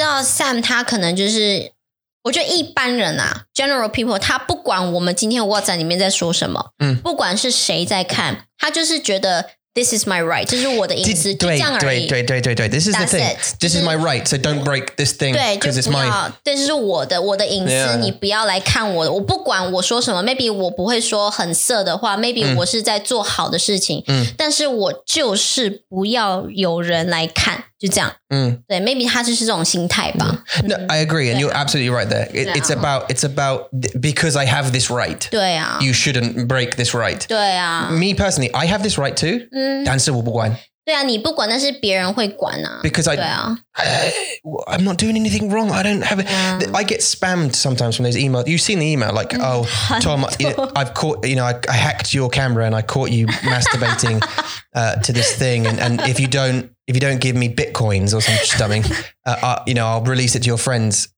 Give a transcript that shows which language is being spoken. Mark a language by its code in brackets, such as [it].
[zh] 我觉得我知道Sam他可能就是, 我觉得一般人啊, [en] general people, [zh] 他不管我们今天WhatsApp里面在说什么, 不管是谁在看, 他就是觉得, [en] this is my right, [zh] 这是我的隐私,就这样而已. [en] This is the thing. This is my right, so don't break this thing because it's mine. [zh] 这是我的隐私,你不要来看我,我不管我说什么, [en] maybe [zh] 我不会说很色的话, maybe我是在做好的事情, 但是我就是不要有人来看, 就这样。对, [en] maybe [zh] 他就是这种心态吧。 [en] No, I agree, and you're absolutely right there. It's about because I have this right. [zh] 对啊, [en] you shouldn't break this right. [zh] 对啊, [en] me personally, I have this right too. [zh] 但是我不管。对啊, 你不管那是别人会管啊, [en] because I'm not doing anything wrong. I don't have it. Yeah. I get spammed sometimes from those emails. You've seen the email, like, oh, Tom, I've caught, you know, I hacked your camera and I caught you masturbating to this thing. And if you don't give me bitcoins or some stumming, you know, I'll release it to your friends.